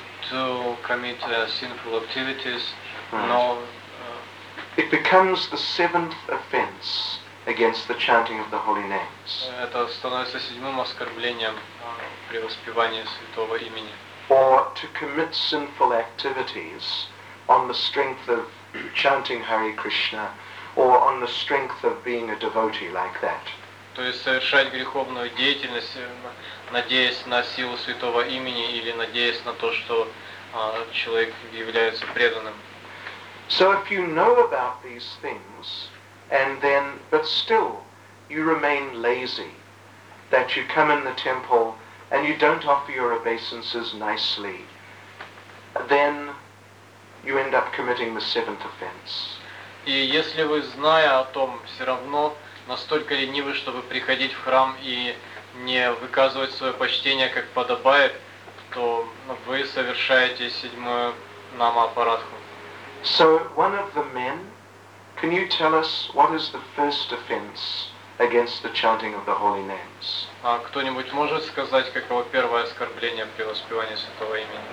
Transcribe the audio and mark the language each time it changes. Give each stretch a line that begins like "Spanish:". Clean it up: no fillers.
English: To commit sinful activities, right. No. It becomes the seventh offense against the chanting of the holy names.
Russian: Это становится седьмым оскорблением при воспевании святого имени.
English: Or to commit sinful activities on the strength of chanting Hare Krishna, or on the strength of being a devotee like that.
Russian: То есть совершать греховную деятельность, надеясь на силу святого имени или надеясь на то, что человек является преданным.
English: So if you know about these things, and then, but still, you remain lazy, that you come in the temple and you don't offer your obeisances nicely, then you end up committing the seventh offense.
Russian: И если вы, зная о том, все равно настолько ленивы, чтобы приходить в храм и не выказывать свое почтение, как подобает, то вы совершаете седьмую нама-апарадху.
English: So, one of the men, can you tell us what is the first offense against the chanting of the holy names?
Russian: А кто-нибудь может сказать, каково первое оскорбление при воспевании святого имени?